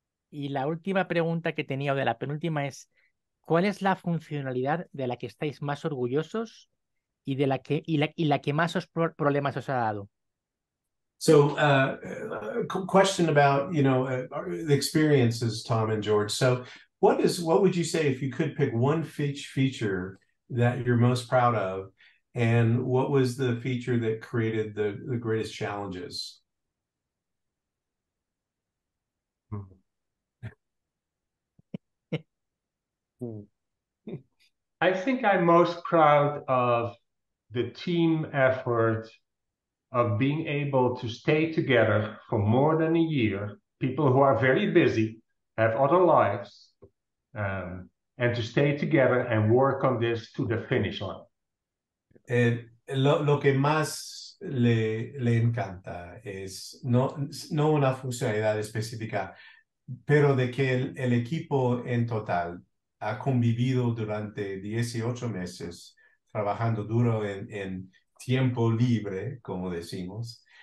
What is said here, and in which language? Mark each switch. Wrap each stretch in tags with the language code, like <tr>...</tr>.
<es>Y la última pregunta que tenía, o de la penúltima, es ¿cuál es la funcionalidad de la que estáis más orgullosos y de la que y la que más os problemas os ha dado?</es> <en>So, question about, you know, the experiences, Tom and George. So, what would you say if you could pick one feature that you're most proud of? And what was the feature that created the greatest challenges? I think I'm most proud of the team effort of being able to stay together for more than a year. People who are very busy, have other lives, and to stay together and work on this to the finish line.</en> <es>Lo que más le encanta es no una funcionalidad específica, pero de que el equipo en total ha convivido durante 18 meses trabajando duro en tiempo libre, como decimos,</es>